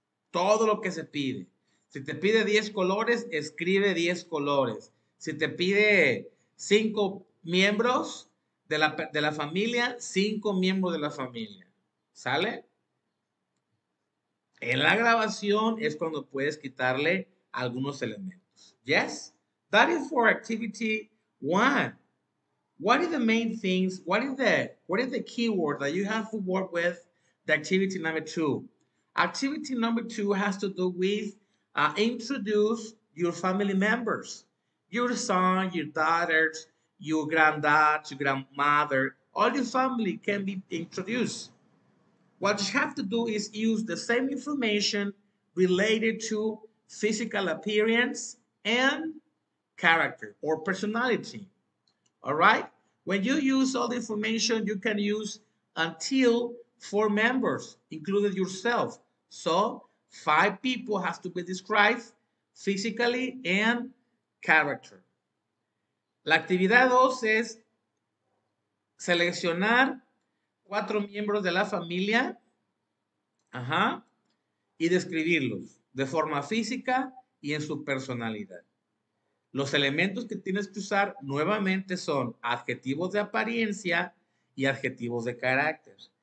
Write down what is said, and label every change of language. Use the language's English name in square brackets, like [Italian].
[Spanish] Todo lo que se pide. Si te pide 10 colores, escribe 10 colores. Si te pide 5 miembros de la familia, 5 miembros de la familia. ¿Sale? En la grabación es cuando puedes quitarle algunos elementos. [English] Yes? That is for activity one. What is the main things? What is the keyword that you have to work with the activity number two? Activity number two has to do with introduce your family members. Your son, your daughters, your granddad, your grandmother, all your family can be introduced. What you have to do is use the same information related to physical appearance and character or personality. All right? When you use all the information, you can use until four members, including yourself. So, five people have to be described physically and character. [Spanish] La actividad 2 es seleccionar cuatro miembros de la familia, y describirlos de forma física y en su personalidad. Los elementos que tienes que usar nuevamente son adjetivos de apariencia y adjetivos de carácter.